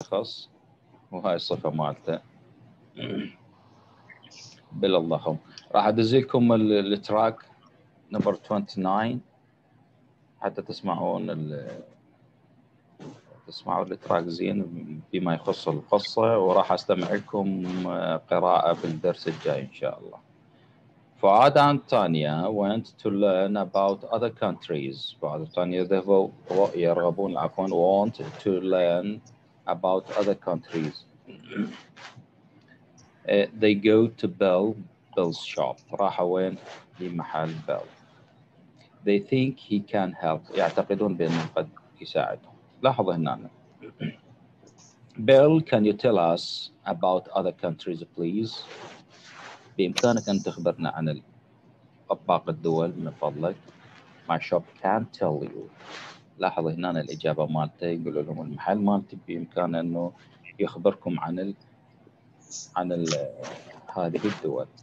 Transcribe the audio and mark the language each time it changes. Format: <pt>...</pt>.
<ar>خاص وهاي الصفة مالته بل اللهم راح ادزلكم التراك نمبر 29 حتى تسمعون تسمعوا التراك زين بما يخص القصة وراح استمع لكم قراءة في الدرس الجاي ان شاء الله.</ar> <en>فؤاد and Tanya went to learn about other countries.</en> <ar>فؤاد وتانيا ذهبوا يرغبون عفوا</ar> <en>want to learn about other countries. They go to Bell's shop.</en> <ar>راح وين لمحل</ar> <en>Bell. They think he can help.</en> <ar>يعتقدون بأنه قد يساعدهم. لاحظ هنا.</ar> <en>Bell, can you tell us about other countries, please?</en> <ar>بإمكانك أن تخبرنا عن أطباق الدول من فضلك.</ar> <en>My shop can't tell you.</en> <ar>لاحظ هنا الإجابة مالته يقول لهم المحل مالتي بإمكان أنه يخبركم عن هذه الدول.</ar>